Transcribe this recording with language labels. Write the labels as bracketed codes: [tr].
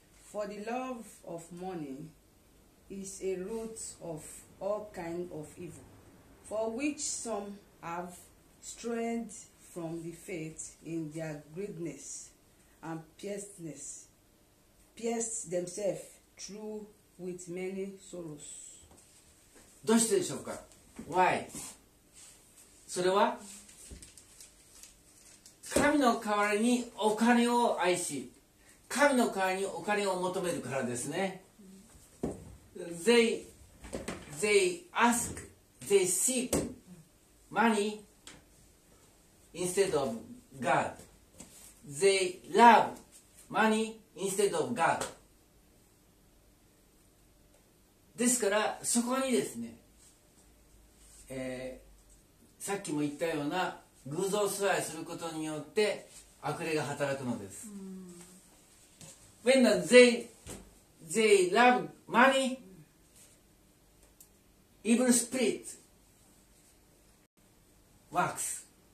[en] For the love of money is a root of all kind of evil, for which some have strayed from the faith in their greediness and pierced themselves through with many sorrows. [ja] どうしてでしょうか? [en] Why? [ja] それは神の代わりにお金を愛し、神の代わりにお金を求めるからですね。 [en] They ask, they seek moneyInstead of God, they love money instead of God. [ja] ですからそこにですね、さっきも言ったような偶像崇拝することによって悪霊が働くのです。 [en] When they love money, evil spirit works.